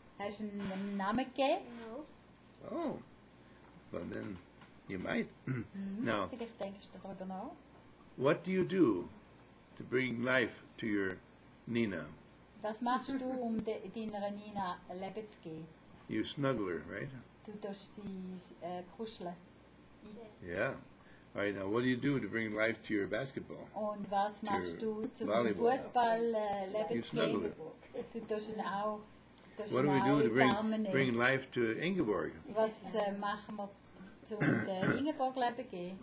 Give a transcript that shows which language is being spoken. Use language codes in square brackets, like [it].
[de] Hast du einen Namen gegeben? [en] No. Oh. Well then, you might. Now. [de] Vielleicht denkst du darüber nach. [en] What do you do to bring life to your Nina? [de] Was machst du, um deiner Nina Leben zu geben? [en] You snuggle her, right? [de] Du tust sie kuscheln. [en] Yeah. All right, now what do you do to bring life to your basketball? [de] Und was machst du zum Fußball Leben zu geben? Du tust ihn auch. [en] What do we do to bring life to Ingeborg? [de] Was machen wir zum Ingeborg Leben geben?